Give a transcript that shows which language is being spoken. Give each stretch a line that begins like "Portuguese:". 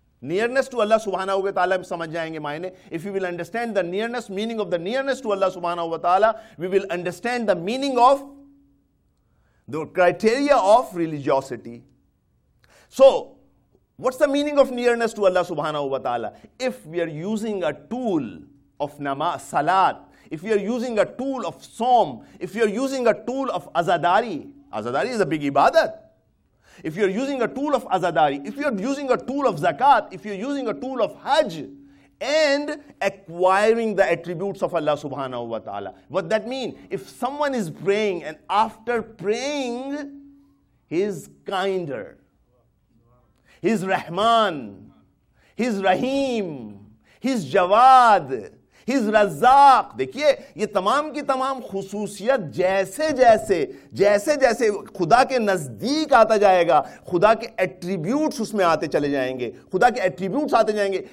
English: nearness to Allah सुबहाना हुआ ताला
Hindi: समझ जाएंगे मायने।
English: If you will understand the nearness meaning of the nearness to Allah सुबहाना हुआ ताला, we will understand the meaning of the criteria of religiosity. So what's the meaning of nearness to Allah सुबहाना हुआ ताला? If we are using a tool of नमाज सलात, if you are using a tool of सोम, if you are using a tool of अजादारी, azadari is a big ibadat, if you are using a tool of azadari, if you are using a tool of zakat, if you are using a tool of hajj and acquiring the attributes of Allah subhanahu wa ta'ala, what that mean? If someone is praying and after praying he's kinder, he's rahman, he's rahim, he's jawad, His razzaq,
Hindi: देखिए ये तमाम की तमाम खुसूसियत जैसे जैसे खुदा के नजदीक आता जाएगा, खुदा के एट्रीब्यूट उसमें आते चले जाएंगे, खुदा के एट्रीब्यूट आते जाएंगे।